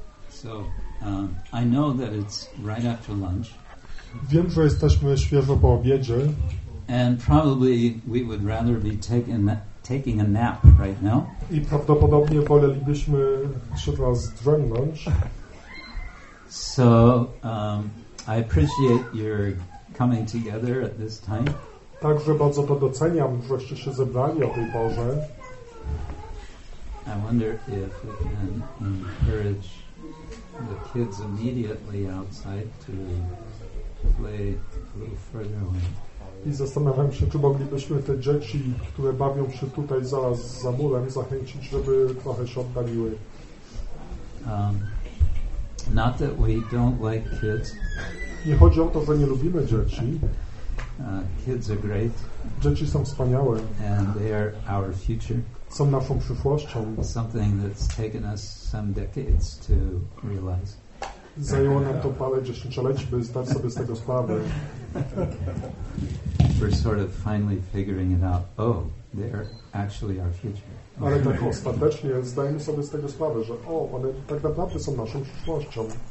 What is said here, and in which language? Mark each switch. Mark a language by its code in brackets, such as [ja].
[en] So I know that it's right after lunch. [pl] Wiem, że jesteśmy świeżo po obiedzie. [en] And probably we would rather be taking a nap right now. [pl] I prawdopodobnie wolelibyśmy się teraz drzemnąć. [en] So I appreciate your coming together at this time. [pl] Także bardzo to doceniam, żeście się zebrali o tej porze. [en] I wonder if we can encourage the kids immediately outside to play a little further away. [pl] I zastanawiam się, czy moglibyśmy te dzieci, które bawią się tutaj zaraz za murem, zachęcić, żeby trochę się oddaliły. [en] Not that we don't like kids. [pl] Nie chodzi o to, że nie lubimy dzieci. [en] Kids are great. [pl] Dzieci są wspaniałe. [en] And they are our future. [pl] Są naszą przyszłością. [en] Something that's taken us some decades to realize. [pl] Zajęło nam to parę dziesięcioleci, by zdać sobie z tego sprawę. [en] We're sort of finally figuring it out. Oh, they're actually our future. Okay. [pl] Ale tak ostatecznie zdajemy sobie z tego sprawę, że o, one tak naprawdę są naszą przyszłością.